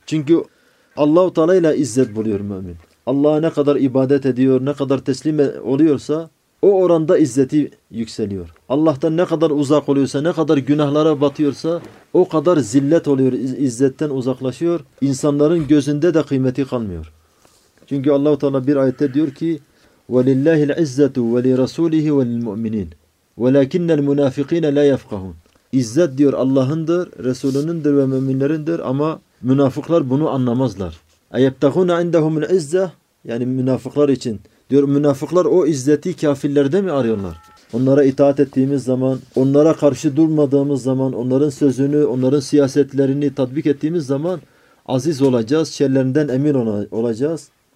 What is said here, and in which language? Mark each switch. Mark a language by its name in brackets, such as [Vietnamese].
[Turkish] Çünkü Allah-u Teala ile izzet buluyor mümin. Allah'a ne kadar ibadet ediyor, ne kadar teslim oluyorsa o oranda izzeti yükseliyor. Allah'tan ne kadar uzak oluyorsa, ne kadar günahlara batıyorsa o kadar zillet oluyor, izzetten uzaklaşıyor. İnsanların gözünde de kıymeti kalmıyor. Çünkü Allah-u Teala bir ayette diyor ki [Arabic] وَلِلَّهِ الْعِزَّةُ وَلِرَسُولِهِ وَلِلْمُؤْمِنِينَ وَلَاكِنَّ الْمُنَافِق۪ينَ لَا يَفْقَهُونَ. [Turkish] İzzet diyor Allah'ındır, Resulünündür ve müminlerindir ama münafıklar bunu anlamazlar. [Arabic] اَيَبْتَغُونَ عِنْدَهُمُ الْعِزَّةِ, [Turkish] yani münafıklar için. Diyor münafıklar o izzeti kafirlerde mi arıyorlar? Onlara itaat ettiğimiz zaman, onlara karşı durmadığımız zaman, onların sözünü, onların siyasetlerini tatbik ettiğimiz zaman aziz olacağız, şerlerinden emin olacağız.